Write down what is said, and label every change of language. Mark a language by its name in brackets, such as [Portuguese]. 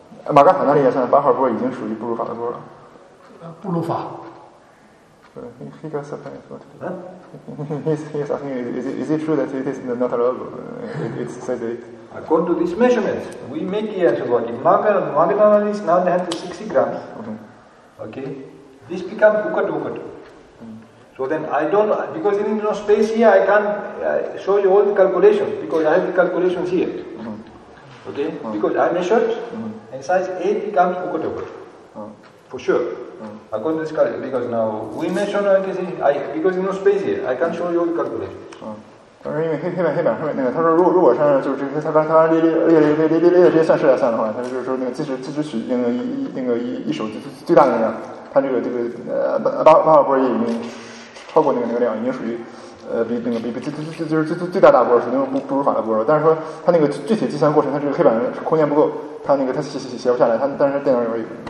[Chinese] 马格塔那里也算八号波，已经属于不如法的波了。不如法。 [English] He got surprised. What? He's asking, is it true that it is not allowable? It says it. According to this measurement, we make here to work. Magadana is 960 grams. Okay. This becomes ukat. So then I don't, because there is no space here, I can't show you all the calculations, because I have the calculations here. Okay. Because I measured. And size 8 becomes ukatukat. For sure. According to this calculation, because now we mentioned, because there's no space here, I can't show you all the calculations. [Chinese] 但是因为黑板上面那个，他说如果上就是这他刚列这些算式来算的话，他就是说那个即使取那个一手最大的那量，他这个八号波也已经超过那个量，已经属于。比最大波是那种不如法的波，但是说它那个具体计算过程，它这个黑板空间不够，它那个它写不下来，它但是电脑里边有。